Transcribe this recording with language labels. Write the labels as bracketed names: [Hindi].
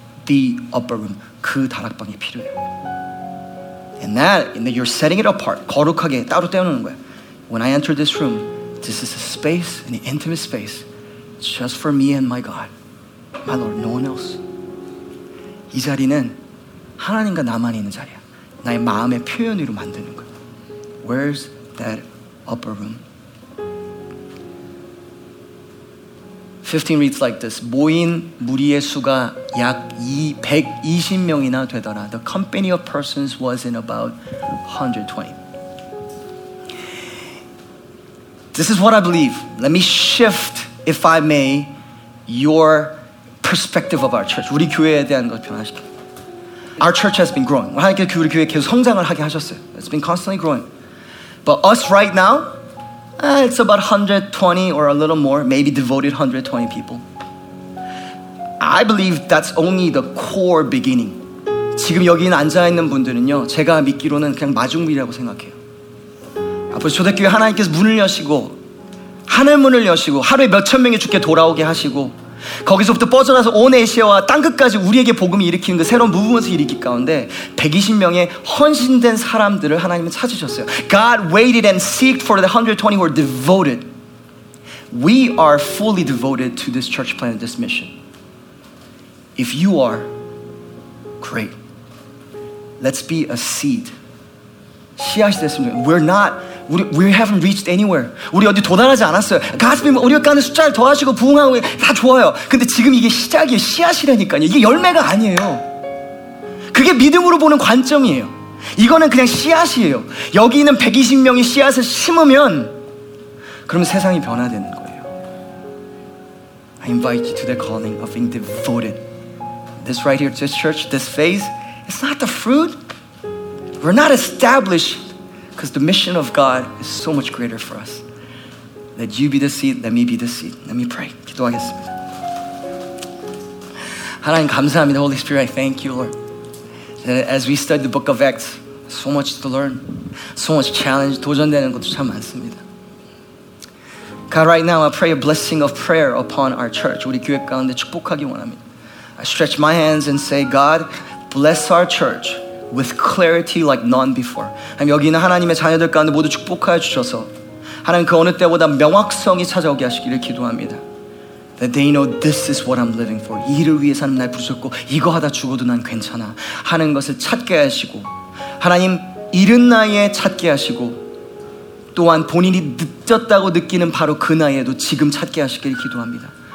[English] The upper room, [Korean] 그 다락방이 필요해요. [English] And that you're setting it apart, [Korean] 거룩하게 따로 떼어놓는 거야. [English] When I enter this room, this is a space, an intimate space, just for me and my God, my Lord, no one else. [Korean] 이 자리는 하나님과 나만 있는 자리야. 나의 마음의 표현으로 만드는 거야. [English] Where's that upper room? 15 reads like this. [Korean] 모인 무리의 수가 약 120명이나 되더라. [English] The company of persons was in about 120. This is what I believe. Let me shift, if I may, your perspective of our church. [Korean] 우리 교회에 대한 것 변화시켜. [English] Our church has been growing. [Korean] 하나님께서 우리 교회 계속 성장을 하게 하셨어요. [English] It's been constantly growing. But us right now, it's about 120 or a little more, maybe devoted 120 people. I believe that's only the core beginning. [Korean] 지금 여기 앉아있는 분들은요, 제가 믿기로는 그냥 마중물이라고 생각해요. 앞으로 초대교회 하나님께서 문을 여시고, 하늘문을 여시고, 하루에 몇천 명이 주께 돌아오게 하시고, 거기서부터 뻗어나서 온 에시아와 땅 끝까지 우리에게 복음이 일으키는 그 새로운 무브먼트 일으키 가운데 120명의 헌신된 사람들을 하나님은 찾으셨어요. [English] God waited and seeked for the 120 who are devoted. We are fully devoted to this church plan and this mission. If you are, great. Let's be a seed. [Korean] 씨앗이 됐으면 [English] We're not We haven't reached anywhere. [Korean] 우리 어디 도달하지 않았어요. 가슴이 우리가 가는 숫자를 더하시고 부흥하고 다 좋아요. 근데 지금 이게 시작이에요. 씨앗이라니까요. 이게 열매가 아니에요. 그게 믿음으로 보는 관점이에요. 이거는 그냥 씨앗이에요. 여기 있는 120명이 씨앗을 심으면 그러면 세상이 변화되는 거예요. [English] I invite you to the calling of being devoted. This right here, this church, this phase, it's not the fruit. We're not established. Because the mission of God is so much greater for us. Let you be the seed, let me be the seed. Let me pray. [Korean] 기도하겠습니다. 하나님 감사합니다. [English] Holy Spirit, I thank you, Lord. That as we study the book of Acts, so much to learn, so much challenge, [Korean] 도전되는 것도 참 많습니다. [English] God, right now, I pray a blessing of prayer upon our church, [Korean] 우리 교회 가운데 축복하기 원합니다. [English] I stretch my hands and say, God, bless our church. With clarity like none before. [Korean] 하나님 여기 있는 하나님의 자녀들 가운데 모두 축복하여 주셔서 하나님 그 어느 때보다 명확성이 찾아오게 하시기를 기도합니다. [English] That they know this is what I'm living for. [Korean] 이를 위해서 하나님 날 부르셨고 이거 하다 죽어도 난 괜찮아 하는 것을 찾게 하시고 하나님 이른 나이에 찾게 하시고 또한 본인이 늦었다고 느끼는 바로 그 나이에도 지금 찾게 하시길 기도합니다.